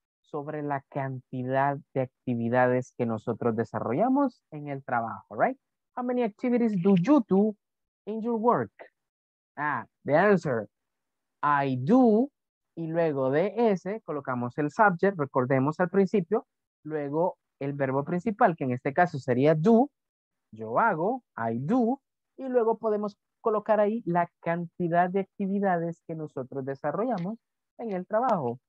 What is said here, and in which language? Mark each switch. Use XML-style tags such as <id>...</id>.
<es>Sobre la cantidad de actividades que nosotros desarrollamos en el trabajo, right?</es> <en>How many activities do you do in your work? The answer, I do,</en> <es>y luego de ese colocamos el subject, recordemos al principio, luego el verbo principal, que en este caso sería do, yo hago, I do, y luego podemos colocar ahí la cantidad de actividades que nosotros desarrollamos en el trabajo.</es>